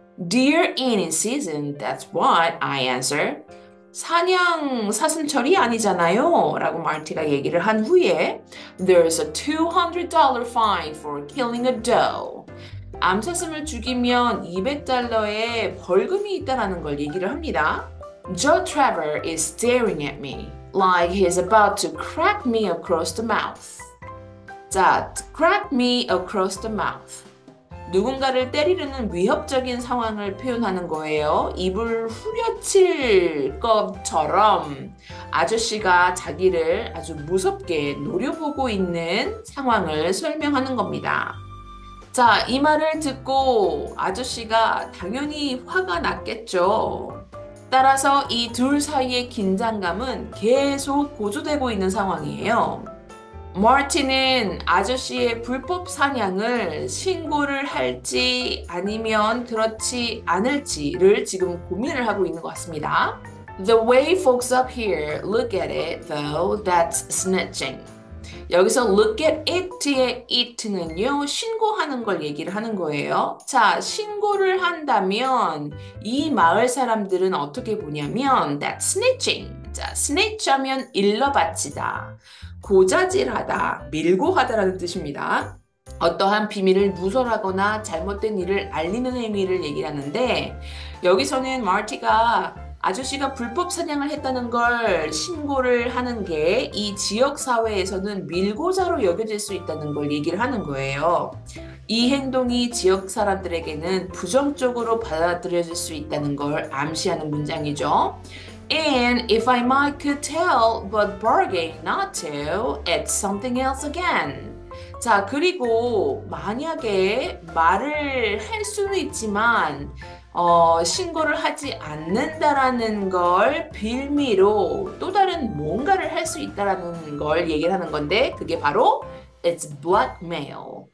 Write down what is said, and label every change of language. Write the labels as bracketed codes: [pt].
[en] Deer in season, that's what I answer. [ko] 사냥 사슴철이 아니잖아요. 라고 마티가 얘기를 한 후에, [en] There's a $200 fine for killing a doe. [ko] 암사슴을 죽이면 200달러의 벌금이 있다는 걸 얘기를 합니다. [en] Joe Trevor is staring at me, like he's about to crack me across the mouth. 자, crack me across the mouth. [ko] 누군가를 때리려는 위협적인 상황을 표현하는 거예요. 입을 후려칠 것처럼 아저씨가 자기를 아주 무섭게 노려보고 있는 상황을 설명하는 겁니다. 자, 이 말을 듣고 아저씨가 당연히 화가 났겠죠. 따라서 이 둘 사이의 긴장감은 계속 고조되고 있는 상황이에요. 마틴은 아저씨의 불법 사냥을 신고를 할지 아니면 그렇지 않을지를 지금 고민을 하고 있는 것 같습니다. [en] The way folks up here look at it though, that's snitching. [ko] 여기서 look at it의 it는요, 신고하는 걸 얘기를 하는 거예요. 자, 신고를 한다면 이 마을 사람들은 어떻게 보냐면 [en] that's snitching. [ko] 자, snitch 하면 일러 바치다, 고자질하다, 밀고 하다라는 뜻입니다. 어떠한 비밀을 누설하거나 잘못된 일을 알리는 의미를 얘기하는데 여기서는 마티가 아저씨가 불법 사냥을 했다는 걸 신고를 하는 게 이 지역 사회에서는 밀고자로 여겨질 수 있다는 걸 얘기를 하는 거예요. 이 행동이 지역 사람들에게는 부정적으로 받아들여질 수 있다는 걸 암시하는 문장이죠. [en] And if I might could tell, but bargain not to, it's something else again. [ko] 자, 그리고 만약에 말을 할 수는 있지만 신고를 하지 않는다라는 걸 빌미로 또 다른 뭔가를 할 수 있다라는 걸 얘기를 하는 건데 그게 바로 [en] it's blackmail.